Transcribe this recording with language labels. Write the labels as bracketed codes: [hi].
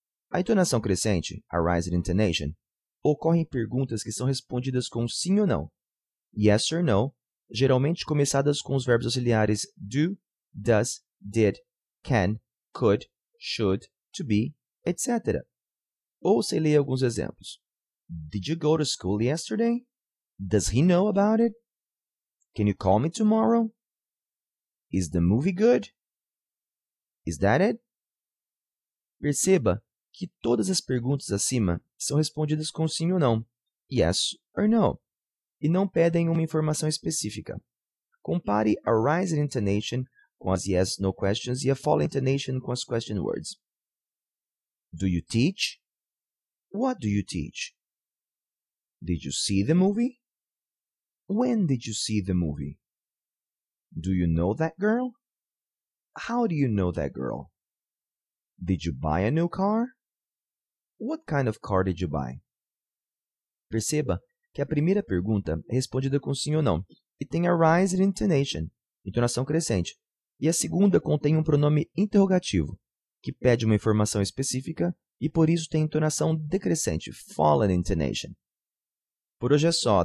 [pt] A entonação crescente, [en] a rising intonation, [pt] ocorre em perguntas que são respondidas com sim ou não. [en] Yes or no, [pt] geralmente começadas com os verbos auxiliares do, does, did, can, could, should, to be, etc. Ouça e leia alguns exemplos. [en] Did you go to school yesterday? Does he know about it? Can you call me tomorrow? Is the movie good? Is that it? [pt] Perceba que todas as perguntas acima são respondidas com sim ou não, [en] yes or no, [pt] e não pedem uma informação específica. [en] Compare a rising intonation com as yes, no questions e a falling intonation com as question words. Do you teach? What do you teach? Did you see the movie? When did you see the movie? Do you know that girl? How do you know that girl? Did you buy a new car? What kind of car did you buy? [pt] Perceba que a primeira pergunta é respondida com sim ou não e tem a [en] rising intonation, [pt] entonação crescente, e a segunda contém um pronome interrogativo, que pede uma informação específica e por isso tem entonação decrescente, [en] falling intonation. [pt] Por hoje é só.